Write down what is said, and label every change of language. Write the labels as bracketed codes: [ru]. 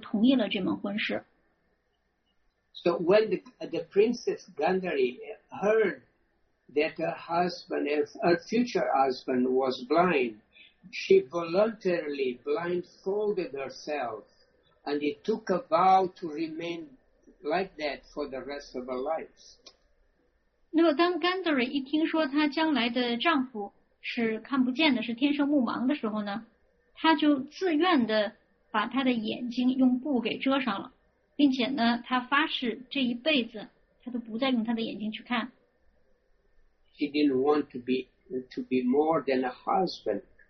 [zh] 但是后来他又想，这是一个非常重要的王国，所以呢，他就同意了这门婚事。 [en] So when the princess Gandhari heard that her husband, her future husband, was blind, she voluntarily blindfolded herself, and he took a vow to remain like that for the rest of her life. [zh] 那么当 Gandhari 一听说她将来的丈夫 是看不见的，是天生目盲的时候呢，他就自愿的把他的眼睛用布给遮上了，并且呢，他发誓这一辈子他都不再用他的眼睛去看。 [en] She didn't want to be more than a husband.